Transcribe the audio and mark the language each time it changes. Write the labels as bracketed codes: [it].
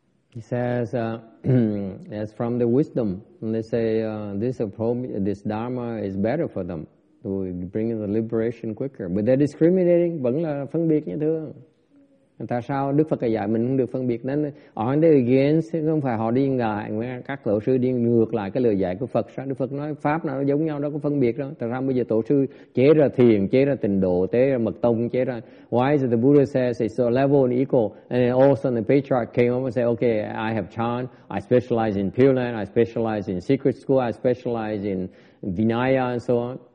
[en] He says, as from the wisdom, and they say, this dharma is better for them, to bring in the liberation quicker. But they're discriminating, [vi] vẫn là phân biệt như thường. Tại sao Đức Phật dạy mình không được phân biệt? Nên, [en] aren't they against? [vi] Không phải họ đi ngại, các tổ sư đi ngược lại cái lời dạy của Phật. Sao Đức Phật nói pháp nào nó giống nhau, đâu có phân biệt đâu. Tại sao bây giờ tổ sư chế ra thiền, chế ra tịnh độ, chế ra mật tông, chế ra... [en] Why is it the Buddha says it's a level and equal? And then all of a sudden the patriarch came up and said, okay, I have chan, I specialize in Pure Land, I specialize in secret school, I specialize in Vinaya and so on.